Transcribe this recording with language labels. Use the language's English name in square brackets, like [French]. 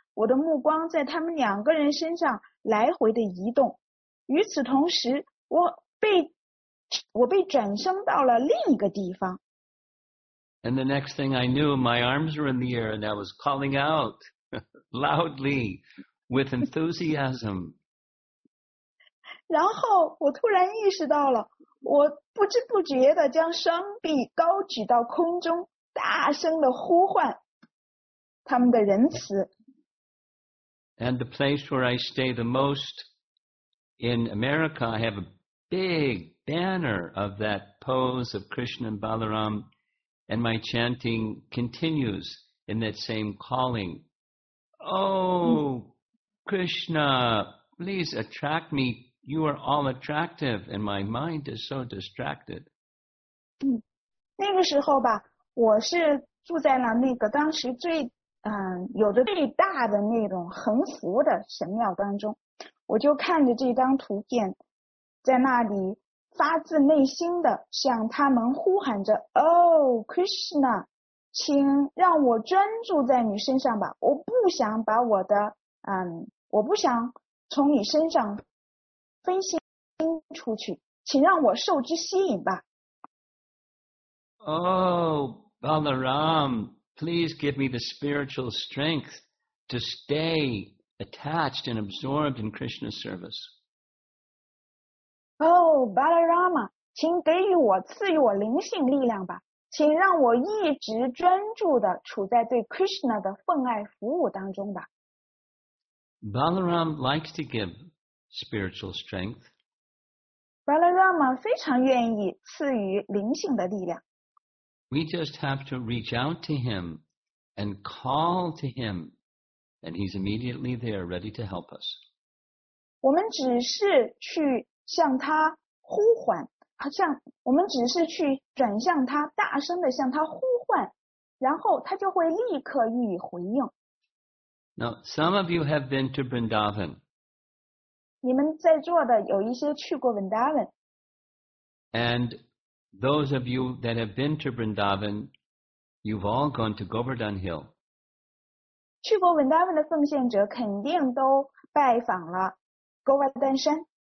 [Chinese] 我的目光在他们两个人身上来回的移动。与此同时，我被转生到了另一个地方。 [English] And the next thing I knew, my arms were in the air and I was calling out loudly with enthusiasm. [Chinese] 然后我突然意识到了，我不知不觉地将双臂高举到空中，大声地呼唤他们的仁慈。 [English] And the place where I stay the most,In America, I have a big banner of that pose of Krishna and Balaram, and my chanting continues in that same calling. Oh, Krishna, please attract me. You are all attractive, and my mind is so distracted. [Chinese] 那个时候吧，我是住在了那个当时最有着最大的那种横幅的神庙当中。我就看着这张图片，在那里发自内心的向他们呼喊着 ：“Oh Krishna， 请让我专注在你身上吧，我不想把我的我不想从你身上分心出去，请让我受之吸引吧。” [English] Oh Balaram, please give me the spiritual strength to stay. Attached and absorbed in Krishna's service. [Chinese] Oh, Balarama, 请给予我赐予我灵性力量吧，请让我一直专注地处在对 Krishna 的奉爱服务当中吧。 [English] Balaram likes to give spiritual strength. [Chinese] Balarama 非常愿意赐予灵性的力量。 [English] We just have to reach out to him and call to him. And he's immediately there, ready to help us. [Chinese] 我们只是去向他呼唤，我们只是去转向他，大声地向他呼唤，然后他就会立刻予以回应。 [English] Now, some of you have been to Vrindavan. [Chinese] 你们在座的有一些去过 Vrindavan。 [English] And those of you that have been to Vrindavan, you've all gone to Govardhan Hill. [Chinese] 去过 Vrindavan 的奉献者肯定都拜访了 Govardhan 山。